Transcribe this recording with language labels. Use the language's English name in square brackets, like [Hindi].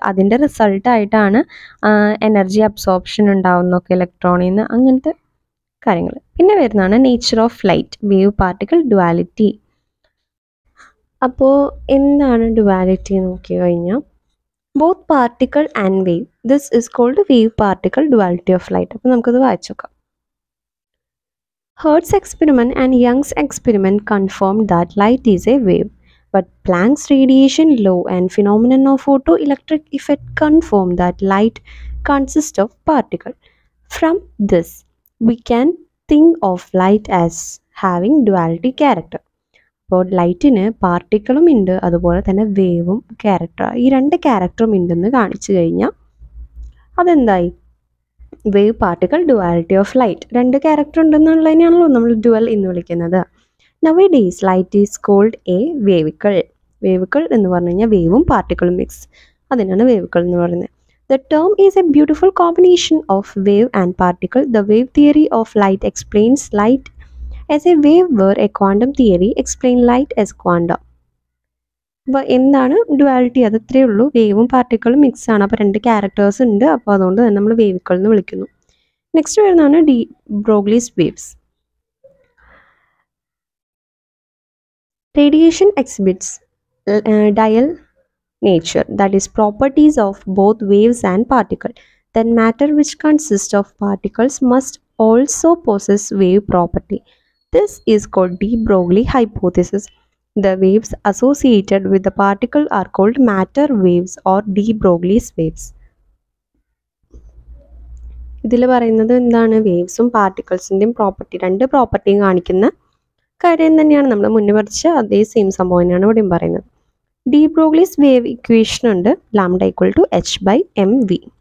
[Malayalam] അതിൻ്റെ റിസൾട്ടായിട്ടാണ് energy absorption ഉണ്ടാവുന്നതൊക്കെ ഇലക്ട്രോണിൽ നിന്ന്, അങ്ങനത്തെ കാര്യങ്ങൾ. പിന്നെ വരുന്നതാണ് nature of light, wave particle duality. അപ്പോൾ എന്താണ് ഡുവാലിറ്റി നോക്കി കഴിഞ്ഞാൽ, [English] Both particle and wave, this is called wave particle duality of light. [Malayalam] അപ്പോൾ നമുക്കത് വായിച്ചു നോക്കാം. [English] Hertz's experiment and Young's experiment confirmed that light is a wave, but Planck's radiation law and phenomenon of photoelectric effect confirmed that light consists of particles. From this, we can think of light as having duality character. [Malayalam] അപ്പോൾ ലൈറ്റിന് പാർട്ടിക്കിളും ഉണ്ട്, അതുപോലെ തന്നെ വേവും character, ഈ രണ്ട് ക്യാരക്ടറും ഉണ്ടെന്ന് കാണിച്ചു കഴിഞ്ഞാൽ അതെന്തായി? വേവ് പാർട്ടിക്കൾ ഡുവാലിറ്റി ഓഫ് ലൈറ്റ്, രണ്ട് ക്യാരക്ടർ ഉണ്ടെന്നുള്ളതിനാണല്ലോ നമ്മൾ ഡുവൽ എന്ന് വിളിക്കുന്നത്. [English] Nowadays light is called a wavicle. [Malayalam] വേവിക്കൾ എന്ന് പറഞ്ഞു കഴിഞ്ഞാൽ വേവും പാർട്ടിക്കിളും മിക്സ്, അതിനാണ് വേവിക്കൾ എന്ന് പറയുന്നത്. [English] The term is a beautiful combination of wave and particle. The wave theory of light explains light as a wave where a quantum theory explain light as quantum. [Malayalam] അപ്പോൾ എന്താണ് duality? അത് ഇത്രയേ ഉള്ളൂ, വേവും പാർട്ടിക്കിളും മിക്സ് ആണ്, അപ്പോൾ രണ്ട് ക്യാരക്ടേഴ്സ് ഉണ്ട്, അപ്പോൾ അതുകൊണ്ട് തന്നെ നമ്മൾ വേവിക്കൾ എന്ന് വിളിക്കുന്നു. നെക്സ്റ്റ് വരുന്നതാണ് D Broglie's waves. [English] Radiation exhibits dual nature, that is properties of both waves and particle. Then matter which consist of particles must also possess wave property. This is called de Broglie hypothesis. The waves associated with the particle are called matter waves or de Broglie's waves. [Malayalam] ഇതിൽ പറയുന്നത് എന്താണ്, വേവ്സും പാർട്ടിക്കിൾസിൻ്റെയും property, രണ്ട് പ്രോപ്പർട്ടിയും കാണിക്കുന്ന കാര്യം തന്നെയാണ് നമ്മൾ മുന്നേ പഠിച്ച അതേ സെയിം സംഭവം തന്നെയാണ് ഇവിടെയും പറയുന്നത്. ഡി ബ്രോഗ്ലിസ് വേവ് ഇക്വേഷൻ ഉണ്ട്, lambda equal to H by M V.